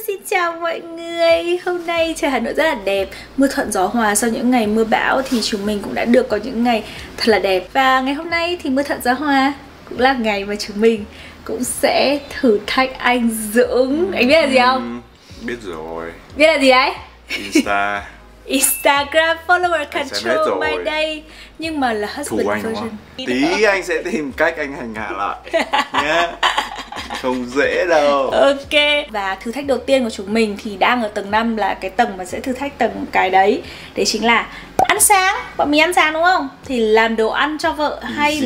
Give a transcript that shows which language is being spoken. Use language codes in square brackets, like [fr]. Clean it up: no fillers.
[vi] Chào mọi người, hôm nay trời Hà Nội rất là đẹp, mưa thuận gió hòa. Sau những ngày mưa bão thì chúng mình cũng đã được có những ngày thật là đẹp. Và ngày hôm nay thì mưa thuận gió hòa cũng là ngày mà chúng mình cũng sẽ thử thách anh Dưỡng. Anh biết là gì không? Biết rồi. Biết là gì đấy? [en] Insta. Instagram follower control my day. [vi] Nhưng mà là husband anh [en] version [vi] không? Tí anh sẽ tìm cách anh hành hạ lại nhé. Không dễ đâu. Ok. Và thử thách đầu tiên của chúng mình thì đang ở tầng 5, là cái tầng mà sẽ thử thách tầng cái đấy. Đấy chính là ăn sáng. Bọn mình ăn sáng đúng không? Thì làm đồ ăn cho vợ hay gì?